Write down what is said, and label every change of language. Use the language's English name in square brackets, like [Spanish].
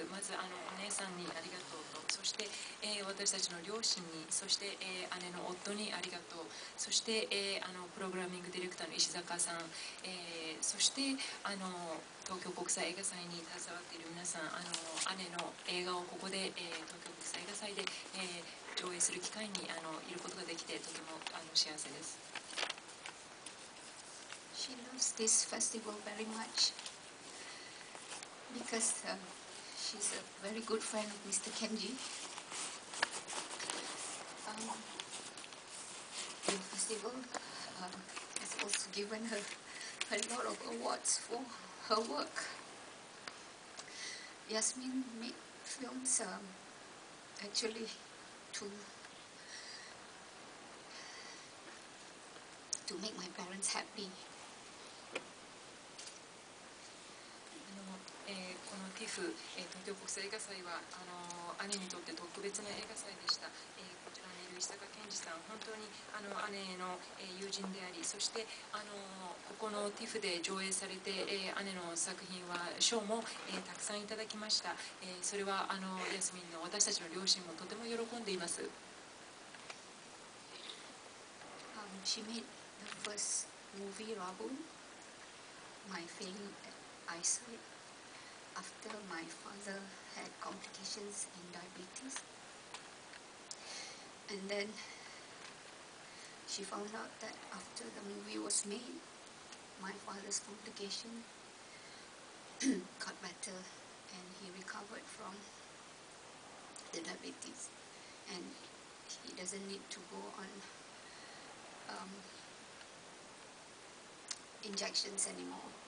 [Japanese] まずあのお姉さんにありがとうと、そして、私たちの両親に、そして、姉の夫にありがとう、そして、あのプログラミングディレクターの石坂さん、そしてあの東京国際映画祭に携わっている皆さん、あの姉の映画をここで、東京国際映画祭で、上映する機会にあのいることができてとてもあの幸せです。 [English] She loves this festival very much because she's a very good friend of Mr. Kenji. The festival has also given her a lot of awards for her work. Yasmin made films actually to make my parents happy. [Japanese] この TIFF 東京国際映画祭はあの姉にとって特別な映画祭でした。こちらにいる石坂健二さん、本当にあの姉への友人であり、そしてあのここの TIFF で上映されて、姉の作品は賞も、たくさんいただきました。それはあのヤスミンの私たちの両親もとても喜んでいます。 [English] She made the first movie Rabun, My Failing EyesightAfter my father had complications in diabetes, and then she found out that after the movie was made, my father's complication got better, and he recovered from the diabetes, and he doesn't need to go on injections anymore.